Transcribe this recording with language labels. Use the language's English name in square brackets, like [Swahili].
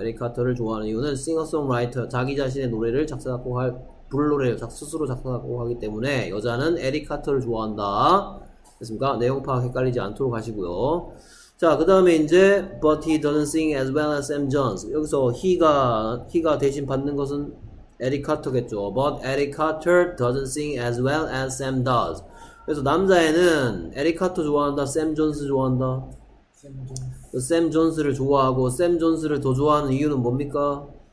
[Korean] 에릭 카터를 좋아하는 이유는 싱어송라이터 자기 자신의 노래를 작사 작곡할 부를 노래를 스스로 작사 작곡하기 때문에 여자는 에릭 카터를 좋아한다. 됐습니까? 내용 파악 헷갈리지 않도록 하시고요. 자, 그 다음에 이제 [English] But he doesn't sing as well as Sam Jones. [Korean] 여기서 he가 대신 받는 것은 에릭 카터겠죠. [English] But Eric Carter doesn't sing as well as Sam does. [Korean] 그래서 남자애는 에릭 카터 좋아한다. Sam Jones 좋아한다. 샘 존스를 좋아하고 샘 존스를 더 좋아하는 이유는 뭡니까?